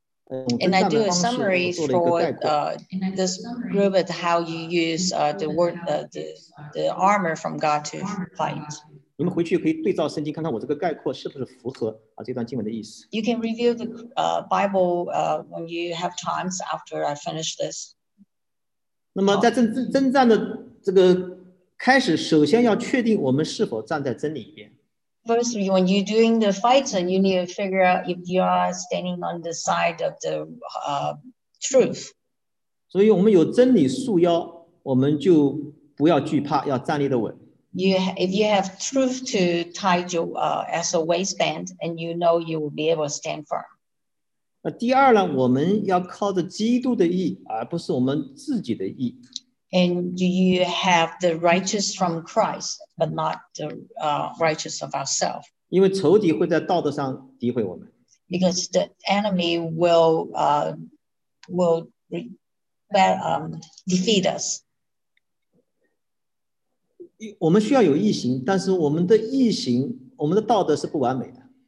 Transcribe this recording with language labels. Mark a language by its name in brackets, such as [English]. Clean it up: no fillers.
[English] And I do a summary for this group of how you use the word the armor from God to fight. [Chinese] 你们回去可以对照圣经看看我这个概括是不是符合这段经文的意思。 [English] You can review the Bible when you have times after I finish this. [Chinese] 那么在征战的这个开始，首先要确定我们是否站在真理一边。 [English] First, when you're doing the fights, you need to figure out if you are standing on the side of the truth. [Chinese] 所以我们有真理束腰，我们就不要惧怕，要站立得稳。 [English] If you have truth to tie you as a waistband, and you know you will be able to stand firm. [Chinese] 第二呢，我们要靠着基督的义，而不是我们自己的义。 [English] And do you have the righteous from Christ, but not the righteous of ourselves? [Chinese] 因为仇敌会在道德上诋毁我们。 [English] Because the enemy will defeat us. [Chinese] 我们需要有义行，但是我们的义行，我们的道德是不完美的。